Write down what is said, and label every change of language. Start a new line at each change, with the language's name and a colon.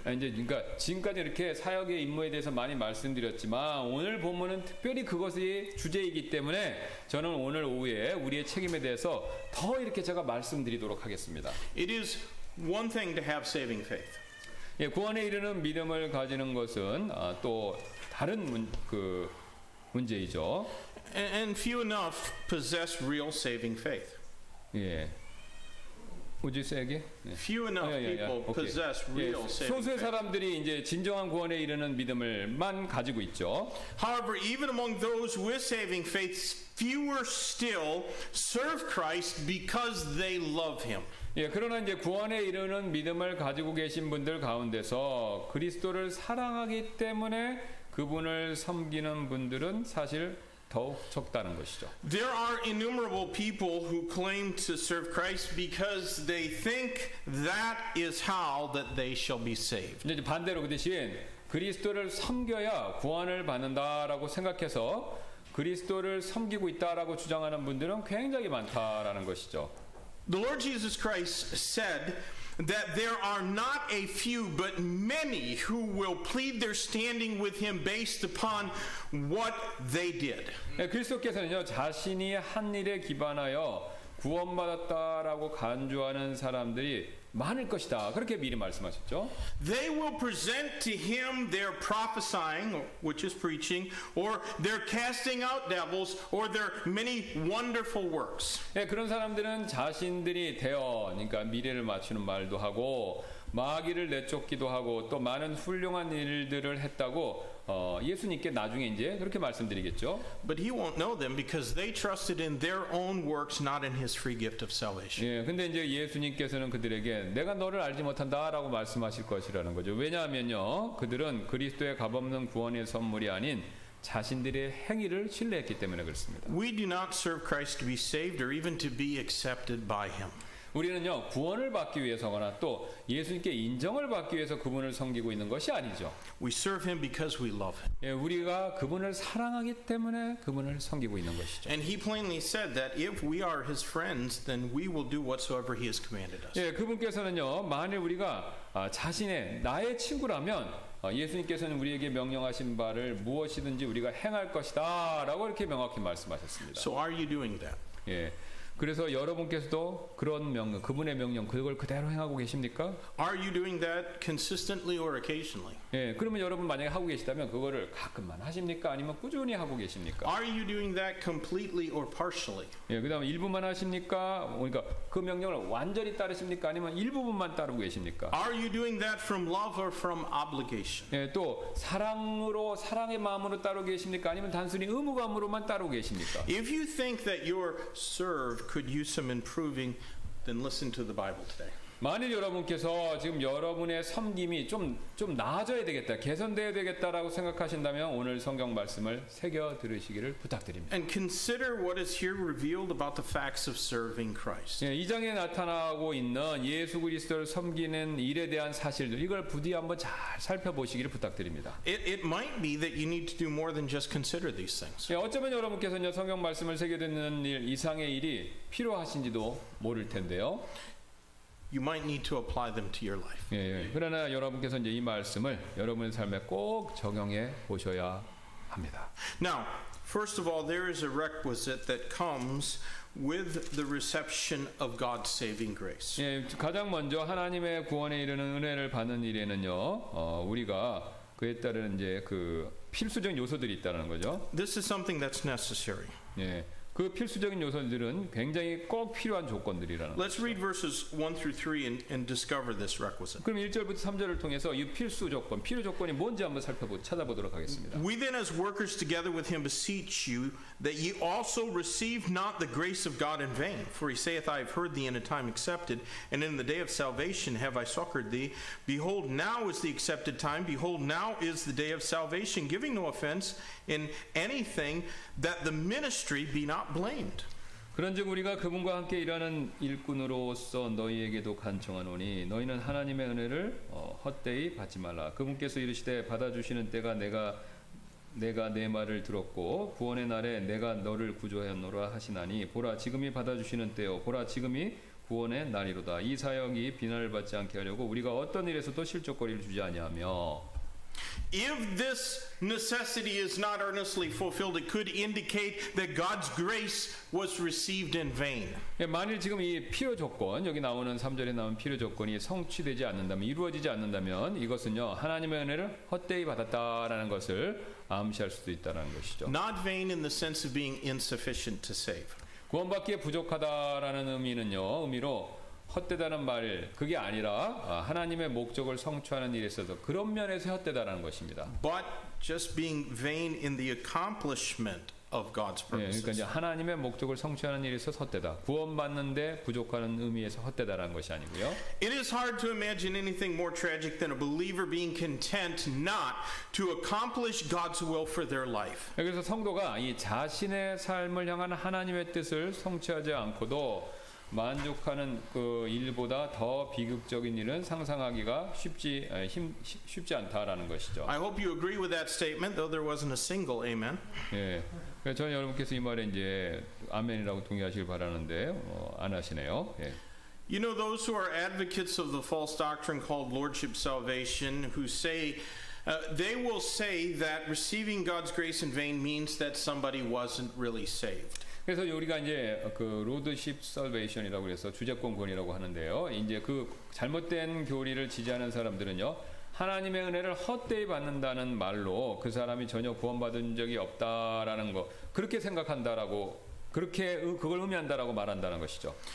Korean: 이제 그러니까 지금까지 이렇게 사역의 임무에 대해서 많이 말씀드렸지만 오늘 본문은 특별히 그것의 주제이기 때문에 저는 오늘 오후에 우리의 책임에 대해서 더 이렇게 제가 말씀드리도록 하겠습니다.
English: It is one thing to have saving faith.
Korean: 예, 구원에 이르는 믿음을 가지는 것은 또 다른 그 문제이죠.
English: And few enough possess real saving faith. 예. Would you say again? Few enough people possess real saving faith.
Korean: 소수의 사람들이 이제 진정한 구원에 이르는 믿음을만 가지고 있죠.
English: However, even among those with saving faith, fewer still serve Christ because they love him.
Korean: 예, 그러나 이제 구원에 이르는 믿음을 가지고 계신 분들 가운데서 그리스도를 사랑하기 때문에 그분을 섬기는 분들은 사실 더욱 적다는 것이죠.
English: There are innumerable people who claim to serve Christ because they think that is how that they shall be saved.
Korean: 이제 반대로 그 대신 그리스도를 섬겨야 구원을 받는다라고 생각해서 그리스도를 섬기고 있다라고 주장하는 분들은 굉장히 많다라는 것이죠.
English: The Lord Jesus Christ said that there are not a few but many who will plead their standing with him based upon what they did.
Korean: 그리스도께서는요, 자신이 한 일에 기반하여 구원받았다라고 간주하는 사람들이 많을 것이다. 그렇게 미리 말씀하셨죠.
English: They will present to him their prophesying, which is preaching, or their casting out devils, or their many wonderful works.
Korean: 예, 그런 사람들은 자신들이 되어, 그러니까 미래를 맞추는 말도 하고 마귀를 내쫓기도 하고 또 많은 훌륭한 일들을 했다고 예수님께 나중에 이제 그렇게 말씀드리겠죠.
English: But he won't know them because they trusted in their own works, not in his free gift of salvation.
Korean: 예, 근데 이제 예수님께서는 그들에게 내가 너를 알지 못한다라고 말씀하실 것이라는 거죠. 왜냐하면요, 그들은 그리스도의 값없는 구원의 선물이 아닌 자신들의 행위를 신뢰했기 때문에 그렇습니다.
English: We do not serve Christ to be saved or even to be accepted by him.
Korean: 우리는요, 구원을 받기 위해서거나 또 예수님께 인정을 받기 위해서 그분을 섬기고 있는 것이 아니죠.
English: We serve him because we love him.
Korean: 예, 우리가 그분을 사랑하기 때문에 그분을 섬기고 있는 것이죠.
English: And he plainly said that if we are his friends, then we will do whatsoever he has commanded us.
Korean: 예, 그분께서는요, 만일 우리가 자신의 나의 친구라면 예수님께서는 우리에게 명령하신 바를 무엇이든지 우리가 행할 것이다라고 이렇게 명확히 말씀하셨습니다.
English: So are you doing that?
Korean: 예. 그래서 여러분께서도 그런 명령, 그분의 명령, 그걸 그대로 행하고 계십니까?
English: Are you doing that consistently or occasionally?
Korean: 예, 그러면 여러분 만약에 하고 계시다면 그거를 가끔만 하십니까? 아니면 꾸준히 하고 계십니까?
English: Are you doing that completely or partially?
Korean: 예, 그다음 일부만 하십니까? 그러니까 그 명령을 완전히 따르십니까? 아니면 일부분만 따르고 계십니까?
English: Are you doing that from love or from obligation?
Korean: 예, 또 사랑으로, 사랑의 마음으로 따르고 계십니까? 아니면 단순히 의무감으로만 따르고 계십니까?
English: If you think that your serve could use some improving, then listen to the Bible today.
Korean: 만일 여러분께서 지금 여러분의 섬김이 좀 나아져야 되겠다, 개선되어야 되겠다라고 생각하신다면 오늘 성경 말씀을 새겨 들으시기를 부탁드립니다.
English: And consider what is here revealed about the facts of serving Christ.
Korean: 예, 이 장에 나타나고 있는 예수 그리스도를 섬기는 일에 대한 사실들, 이걸 부디 한번 잘 살펴보시기를 부탁드립니다.
English: It might be that you need to do more than just consider these things.
Korean: 예, 어쩌면 여러분께서는 성경 말씀을 새겨 듣는 일 이상의 일이 필요하신지도 모를 텐데요.
English: You might need to apply them to your life.
Korean: 예, 예. 그러나 여러분께서 이제 이 말씀을 여러분의 삶에 꼭 적용해 보셔야 합니다.
English: Now, first of all, there is a requisite that comes with the reception of God's saving grace.
Korean: 예, 가장 먼저 하나님의 구원에 이르는 은혜를 받는 일에는요, 우리가 그에 따른 이제 그 필수적인 요소들이 있다는 거죠.
English: This is something that's necessary.
Korean: 예. 그 필수적인 요소들은 굉장히 꼭 필요한 조건들이라는
English: Let's
Korean: 것이죠.
English: read verses 1 through 3 and discover this requisite.
Korean: 그럼 1절부터 3절을 통해서 이 필수 조건, 필요 조건이 뭔지 한번 살펴보 찾아보도록 하겠습니다.
English: We then as workers together with him beseech you that ye also receive not the grace of God in vain. For he saith, I have heard thee in a time accepted, and in the day of salvation have I succored thee. Behold, now is the accepted time. Behold, now is the day of salvation. Giving no offense in anything that the ministry be not blamed.
Korean: 그런즉 우리가 그분과 함께 일하는 일꾼으로서 너희에게도 간청하노니 너희는 하나님의 은혜를 헛되이 받지 말라. 그분께서 이르시되 받아주시는 때가 내가 내 말을 들었고 구원의 날에 내가 너를 구조하였노라 하시나니 보라 지금이 받아주시는 때요 보라 지금이 구원의 날이로다. 이 사역이 비난을 받지 않게 하려고 우리가 어떤 일에서도 실족거리를 주지 아니하며.
English: If this necessity is not earnestly fulfilled, it could indicate that God's grace was received in vain.
Korean: 예, 만일 지금 이 필요 조건 여기 나오는 3절에 나온 필요 조건이 성취되지 않는다면 이루어지지 않는다면 이것은요 하나님의 은혜를 헛되이 받았다라는 것을 암시할 수도 있다는 것이죠.
English: Not vain in the sense of being insufficient to save.
Korean: 구원받기에 부족하다라는 의미는요 의미로. 헛되다는 말 그게 아니라 하나님의 목적을 성취하는 일에 있어서 그런 면에서 헛되다라는 것입니다.
English: But just being vain in the accomplishment of God's purposes.
Korean: 예, 그러니까 이제 하나님의 목적을 성취하는 일에서 헛되다. 구원받는데 부족하는 의미에서 헛되다라는 것이 아니고요.
English: It is hard to imagine anything more tragic than a believer being content not to accomplish God's will for their life.
Korean: 그래서 성도가 이 자신의 삶을 향한 하나님의 뜻을 성취하지 않고도 만족하는 그 일보다 더 비극적인 일은 상상하기가 쉽지 않다라는 것이죠.
English: I hope you agree with that statement, though there wasn't a single amen.
Korean: 예, 저는 여러분께서 이 말에 이제 아멘이라고 동의하시길 바라는데 안 하시네요. 예.
English: You know those who are advocates of the false doctrine called lordship salvation, who say they will say that receiving God's grace in vain means that somebody wasn't really saved.
Korean: 그래서 우리가 이제 그 로드십 설베이션이라고 해서 주제권권이라고 하는데요. 이제 그 잘못된 교리를 지지하는 사람들은요. 하나님의 은혜를 헛되이 받는다는 말로 그 사람이 전혀 구원받은 적이 없다라는 거 그렇게 생각한다라고 그렇게 그걸 의미한다라고 말한다는 것이죠.